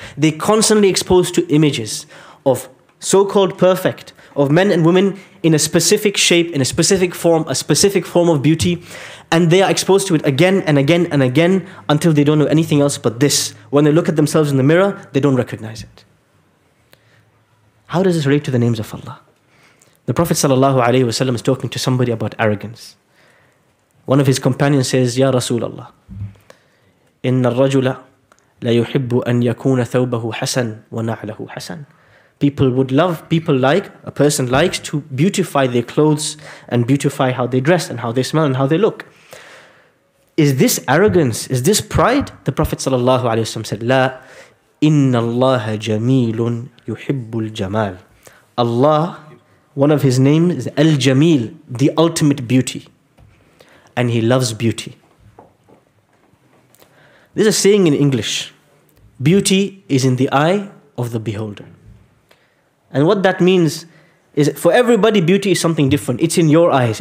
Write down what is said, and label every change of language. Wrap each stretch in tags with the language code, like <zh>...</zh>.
<en>They're constantly exposed to images of so-called perfect, of men and women in a specific shape, in a specific form of beauty, and they are exposed to it again and again and again until they don't know anything else but this. When they look at themselves in the mirror, they don't recognize it. How does this relate to the names of Allah? The Prophet ﷺ is talking to somebody about arrogance. One of his companions says,</en> <ar>Ya Rasulallah, إِنَّ الرَّجُلَ لَيُحِبُّ أَنْ يَكُونَ ثَوْبَهُ حَسَنْ وَنَعْلَهُ حَسَنْ.</ar> <en>People would love, people like, a person likes to beautify their clothes and beautify how they dress and how they smell and how they look. Is this arrogance? Is this pride? The Prophet ﷺ said, La,</en> <ar>إِنَّ اللَّهَ جَمِيلٌ يُحِبُّ الْجَمَالِ.</ar> <en>Allah, one of his names is Al-Jamil, the ultimate beauty. And he loves beauty. There's a saying in English, beauty is in the eye of the beholder. And what that means is for everybody, beauty is something different. It's in your eyes.</en>